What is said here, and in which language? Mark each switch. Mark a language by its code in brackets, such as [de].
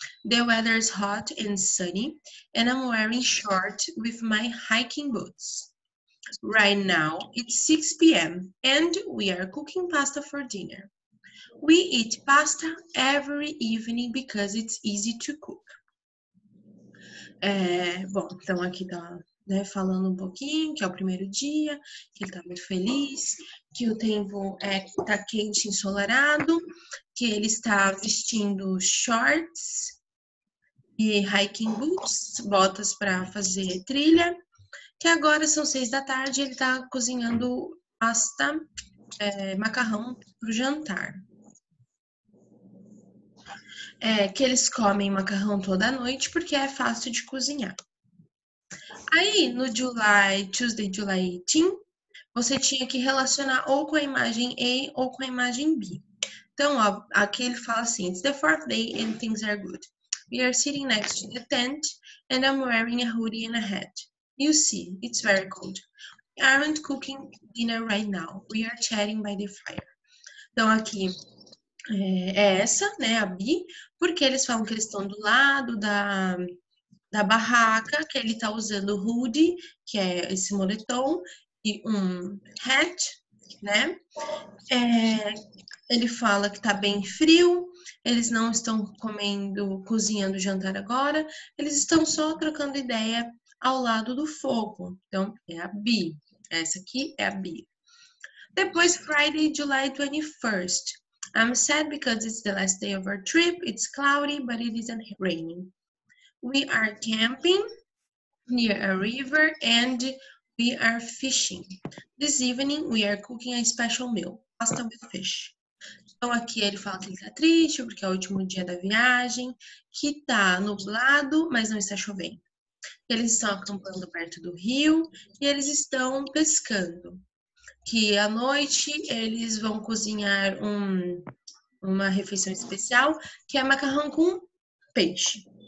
[en] The weather is hot and sunny and I'm wearing shorts with my hiking boots. Right now it's 6 p.m. and we are cooking pasta for dinner. We eat pasta every evening because it's easy to cook. [pt] Bom, então aqui tá, né, falando um pouquinho que é o primeiro dia, que ele tá muito feliz, que o tempo é, tá quente e ensolarado, que ele está vestindo shorts e hiking boots, botas para fazer trilha, que agora são 6 da tarde e ele tá cozinhando pasta, macarrão pro jantar. É, que eles comem macarrão toda noite porque é fácil de cozinhar. Aí, no July, Tuesday, July 18, você tinha que relacionar ou com a imagem A ou com a imagem B. Então, ó, aqui ele fala assim, [en] it's the fourth day and things are good. We are sitting next to the tent and I'm wearing a hoodie and a hat. You see, it's very cold. We aren't cooking dinner right now. We are chatting by the fire. [pt] Então, aqui é essa, né, a B, porque eles falam que eles estão do lado da barraca, que ele tá usando hoodie, que é esse moletom, e um hat, né? É, ele fala que tá bem frio, eles não estão comendo, cozinhando jantar agora, eles estão só trocando ideia ao lado do fogo. Então, é a B. Essa aqui é a B. Depois, Friday, July 21st. [en] I'm sad because it's the last day of our trip. It's cloudy, but it isn't raining. We are camping near a river and we are fishing. This evening, we are cooking a special meal, pasta with fish. [pt] Então, aqui ele fala que ele tá triste porque é o último dia da viagem, que tá nublado, mas não está chovendo. Eles estão acampando perto do rio e eles estão pescando. Que à noite eles vão cozinhar uma refeição especial, que é macarrão com peixe.